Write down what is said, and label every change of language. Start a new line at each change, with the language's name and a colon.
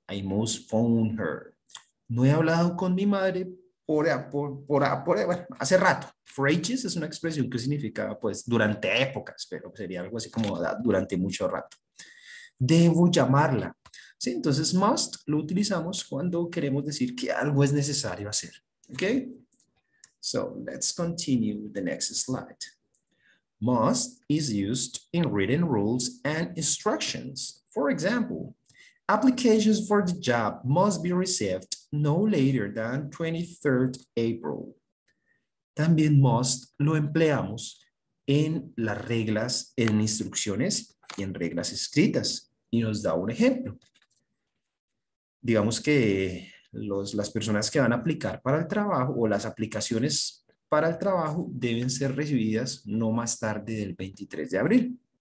English: I must phone her.
Spanish: No he hablado con mi madre bueno, hace rato. For ages es una expresión que significa, pues, durante épocas, pero sería algo así como durante mucho rato. Debo llamarla. Sí, entonces must lo utilizamos cuando queremos decir que algo es necesario hacer.
English: Okay? So let's continue with the next slide. Must is used in written rules and instructions. For example, applications for the job must be received no later than 23rd April.
Spanish: También must lo empleamos en las reglas, en instrucciones y en reglas escritas. Y nos da un ejemplo. Digamos que las personas que van a aplicar para el trabajo o las aplicaciones para el trabajo deben ser recibidas no más tarde del 23 de abril.